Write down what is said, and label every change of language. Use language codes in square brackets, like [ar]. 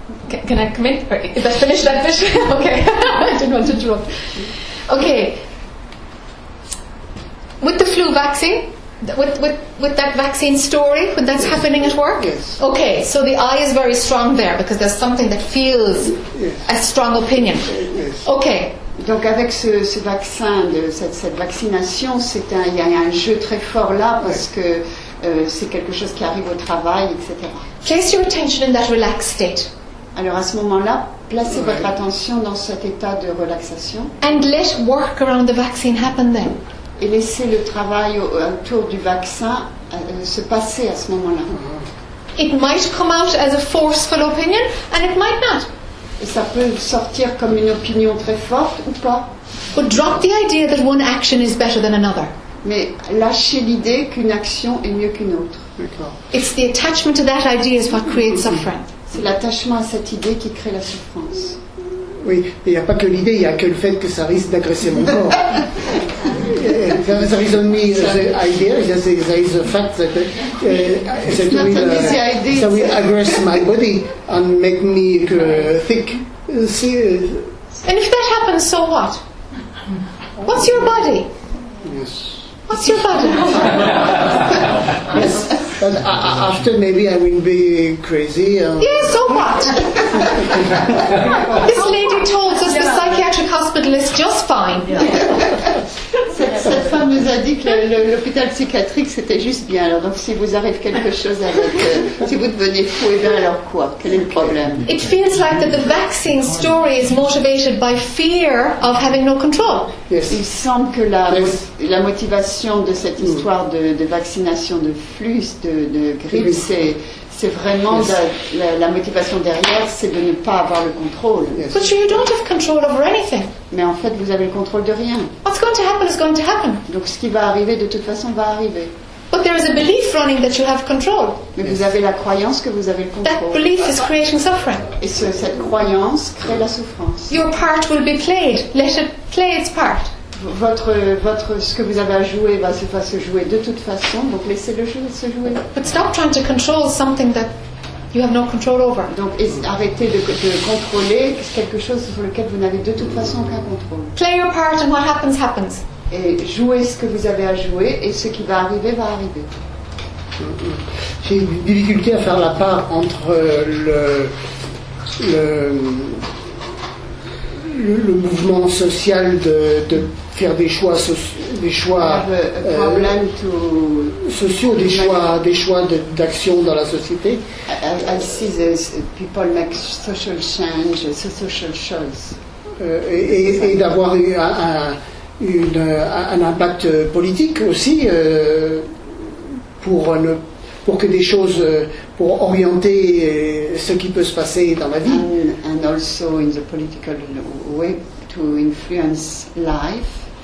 [en] Can I come in? Is that finished? Okay. I didn't want to interrupt. Okay. With the flu vaccine, with that vaccine story, when that's happening at work? Yes. Okay, so the eye is very strong there because there's something that feels a strong opinion. Yes. Okay. [fr] Donc avec ce vaccin, cette vaccination, il y a un jeu très fort là parce que c'est quelque chose qui arrive au travail, etc. [en] Place your attention in that relaxed state. [fr] Alors à ce moment-là, placez votre attention dans cet état de relaxation. [en] And let work around the vaccine happen then. [fr] Et laissez le travail autour du vaccin se passer à ce moment-là. [en] It might come out as a forceful opinion, and it might not. [fr] Et ça peut sortir comme une opinion très forte ou pas. [en] But drop the idea that one action is better than another. [fr] Mais lâchez l'idée qu'une action est mieux qu'une autre. D'accord. [en] It's the attachment to that idea is what creates suffering. [fr] C'est l'attachement à cette idée qui crée la souffrance. Oui, mais il n'y a pas que l'idée, il y a que le fait que ça risque d'agresser mon corps. [en] There is a reason me the idea, there is a fact that that will aggress my body and make me think. And if that happens, so what? What's your body? Yes. What's your body? Yes. But after maybe I will be crazy. Yes, so what? This lady told us the psychiatric hospital is just fine. [fr] Cette femme nous a dit que l'hôpital psychiatrique c'était juste bien. Alors donc si vous arrive quelque chose avec, si vous devenez fou, et bien alors quoi? Quel est le problème? [en] It feels like that the vaccine story is motivated by fear of having no control. Yes. [fr] Il semble que la motivation de cette histoire de vaccination de flux, de grippe, c'est vraiment la motivation derrière, c'est de ne pas avoir le contrôle. [en] Yes. But you don't have control over anything. [fr] Mais en fait, vous avez le contrôle de rien. [en] What's going to happen is going to happen. [fr] Donc ce qui va arriver, de toute façon, va arriver. [en] But there is a belief running that you have control. [fr] Mais vous avez la croyance que vous avez le contrôle. [en] That belief is creating suffering. [fr] Et cette croyance crée la souffrance. [en] Your part will be played. Let it play its part. [fr] Votre ce que vous avez à jouer va se jouer de toute façon, donc laissez le jeu se jouer. [en] But stop trying to control something that you have no control over. [fr] Donc arrêtez de contrôler quelque chose sur lequel vous n'avez de toute façon aucun contrôle. [en] Play your part and what happens happens. [fr] Et jouez ce que vous avez à jouer et ce qui va arriver va arriver. J'ai une difficulté à faire la part entre le mouvement social de faire des choix sociaux, d'action dans la société. [en] I see this, people make social change, social choice. [fr] Et d'avoir un impact politique aussi pour orienter ce qui peut se passer dans la vie. [en] And also in the political way to influence life.